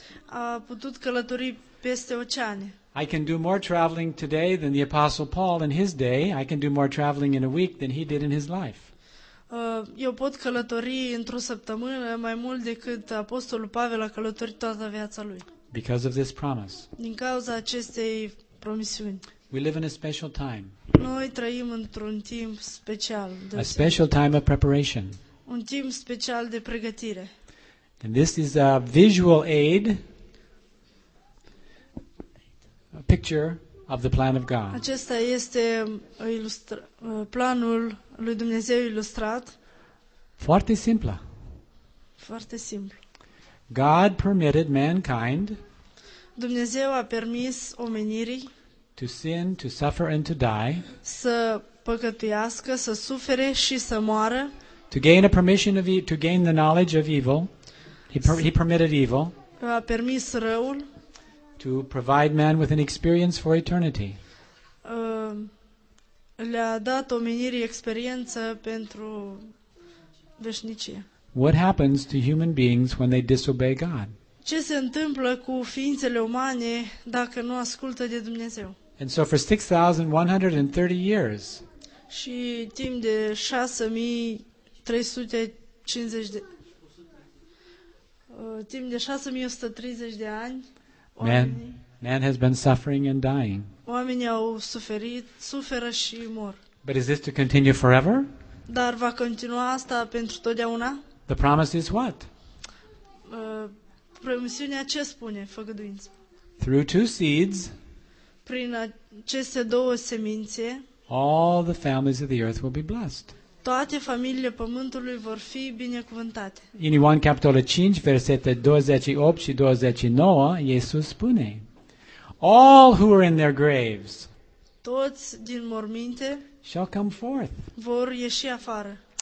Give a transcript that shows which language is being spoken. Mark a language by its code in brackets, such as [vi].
[ro] A putut călători peste oceane. [en] I can do more traveling today than the Apostle Paul in his day. I can do more traveling in a week than he did in his life. [ro] Eu pot călători într-o săptămână mai mult decât Apostolul Pavel a călătorit toată viața lui. [en] Because of this promise. [ro] Din cauza acestei promisiuni. [en] We live in a special time. [ro] Noi trăim într-un timp special. [en] A special time of preparation. [ro] Un timp special de pregătire. [en] And this is a visual aid. A picture of the plan of God. [ro] Acesta este planul lui Dumnezeu ilustrat. Foarte simplu. Foarte simplu. [en] God permitted mankind. [ro] Dumnezeu a permis omenirii [en] to sin, to suffer and to die. [ro] Să păcătuiască, să sufere și să moară. [en] To gain a permission of to gain the knowledge of evil, he permitted evil. [ro] A permis răul. [en] To provide man with an experience for eternity. [ro] Le-a dat omenirii experiență pentru veșnicie. [en] What happens to human beings when they disobey God? [ro] Ce se întâmplă cu ființele umane dacă nu ascultă de Dumnezeu? [en] And so for 6130 years. [ro] Și timp de 6350 de timp de 6130 de ani. [en] Man has been suffering and dying. [ro] Oamenii au suferit, suferă și mor. [en] But is this to continue forever? [ro] Dar va continua asta pentru totdeauna? [en] The promise is what? [ro] Promisiunea ce spune, făgăduință? [en] Through two seeds, [ro] prin aceste două semințe, [en] all the families of the earth will be blessed. [ro] Toate familiile pământului vor fi binecuvântate. În Ioan capitolul 5, versete 28 și 29, Iisus spune: [en] All who are in their graves, [ro] toți din morminte, [en] shall come forth. [ro] Vor ieși afară.